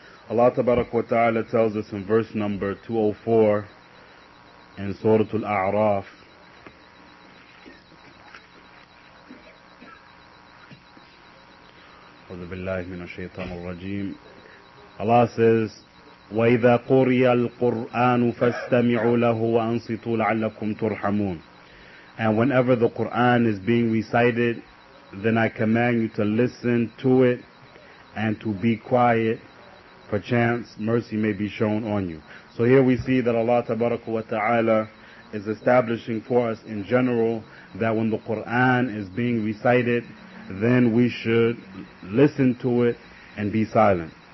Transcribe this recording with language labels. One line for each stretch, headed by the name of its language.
English: Allah Tabaraka wa Ta'ala tells us in verse number 204 in Surah Al-A'raf,
Arabic: أَعُوذُ بِاللَّهِ مِنَ الشَّيْطَانِ الرَّجِيمِ.
English: Allah says,
Arabic: وَإِذَا قُرِيَ الْقُرْآنُ فَاسْتَمِعُوا لَهُ وَأَنصِتُوا لَعَلَّكُمْ تُرْحَمُونَ.
English: And whenever the Qur'an is being recited, then I command you to listen to it and to be quiet. Perchance mercy may be shown on you. So here we see that Allah Tabaraka wa Ta'ala is establishing for us in general that when the Qur'an is being recited, then we should listen to it and be silent.